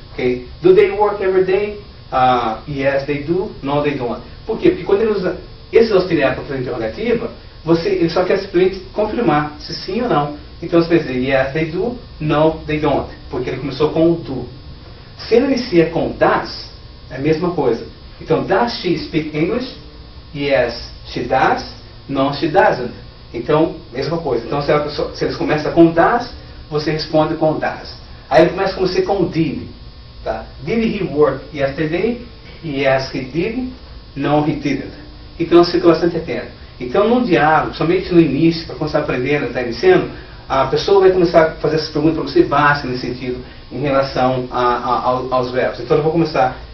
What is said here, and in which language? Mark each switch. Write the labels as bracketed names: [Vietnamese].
[English] Okay? Do they work every day? Yes, they do. No, they don't. [Portuguese] Por quê? Porque quando ele usa esse auxiliar para fazer interrogativa, ele só quer simplesmente confirmar se sim ou não. Então você vai dizer [English] yes, they do. No, they don't. [Portuguese] Porque ele começou com o do. Se ele inicia com does, é a mesma coisa. Então, [English] does she speak English? Yes, she does. No, she doesn't. [Portuguese] Então, mesma coisa. Então, se eles começam com does, você responde com does. Aí ele começa com você com did. Tá? [English] Did he work yesterday? Yes, he did. No, he didn't. [Portuguese] Então, você fica bastante atento. Então, num diálogo, somente no início, para começar aprendendo, está iniciando, a pessoa vai começar a fazer essas perguntas para você básicas nesse sentido, em relação aos verbos. Então, eu vou começar.